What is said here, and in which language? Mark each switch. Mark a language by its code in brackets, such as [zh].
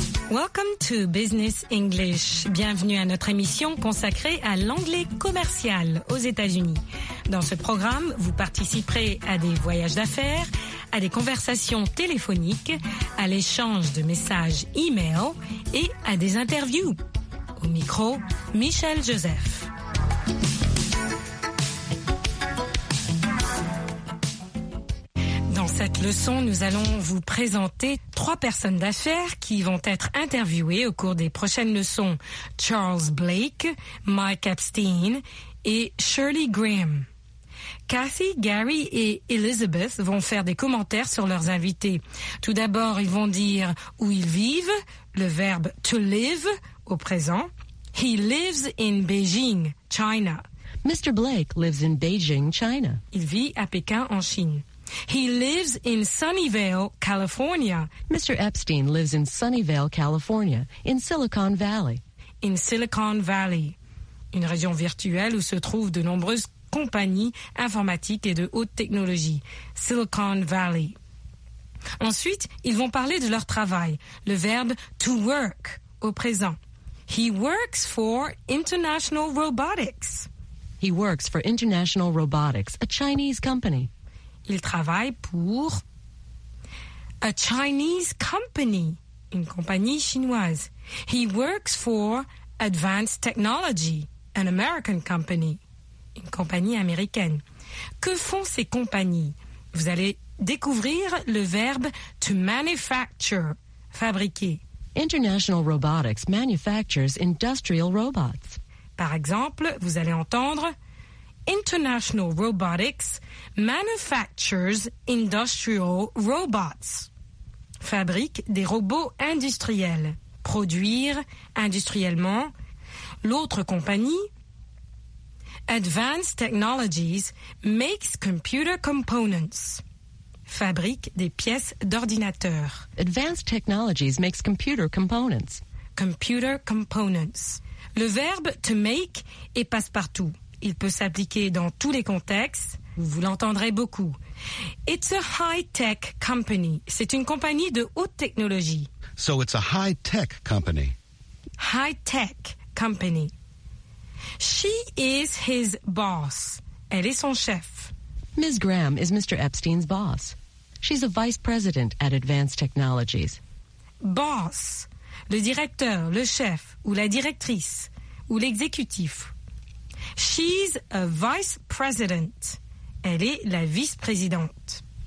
[en] Welcome to Business English. [fr] Bienvenue à notre émission consacrée à l'anglais commercial aux États-Unis. Dans ce programme, vous participerez à des voyages d'affaires, à des conversations téléphoniques, à l'échange de messages e-mail et à des interviews. Au micro, Michel Joseph. Cette leçon, nous allons vous présenter trois personnes d'affaires qui vont être interviewées au cours des prochaines leçons. Charles Blake, Mike Epstein et Shirley Graham. Kathy, Gary et Elizabeth vont faire des commentaires sur leurs invités. Tout d'abord, ils vont dire où ils vivent, le verbe [en] to live [fr] au présent. [en] He lives in Beijing, China. Mr. Blake lives in Beijing, China. [fr] Il vit à Pékin, en Chine. [en] He lives in Sunnyvale, California. Mr. Epstein lives in Sunnyvale, California, in Silicon Valley. [fr] In Silicon Valley, une région virtuelle où se trouvent de nombreuses compagnies informatiques et de haute technologie. Silicon Valley. Ensuite, ils vont parler de leur travail. Le verbe [en] to work [fr] au présent. [en] He works for International Robotics. He works for International Robotics, a Chinese company. [fr] Il travaille pour [en] a Chinese company, [fr] une compagnie chinoise. [en] He works for Advanced Technology, an American company, [fr] une compagnie américaine. Que font ces compagnies? Vous allez découvrir le verbe [en] to manufacture, [fr] fabriquer. [en] International Robotics manufactures industrial robots. [fr] Par exemple, vous allez entendre International Robotics [en] manufactures industrial robots. [fr] Fabrique des robots industriels. Produire industriellement. L'autre compagnie, Advanced Technologies [en] makes computer components. [fr] Fabrique des pièces d'ordinateur. [en] Advanced Technologies makes computer components. Computer components. [fr] Le verbe [en] to make [fr] est passe-partout. Il peut s'appliquer dans tous les contextes. Vous l'entendrez beaucoup. [en] It's a high-tech company. [fr] C'est une compagnie de haute technologie. [en] So it's a high-tech company. High-tech company. She is his boss. [fr] Elle est son chef. [en] Ms. Graham is Mr. Epstein's boss. She's a vice president at Advanced Technologies. Boss. [fr] Le directeur, le chef, ou la directrice, ou l'exécutif. [en] She's a vice president. [fr] Elle est la vice-présidente.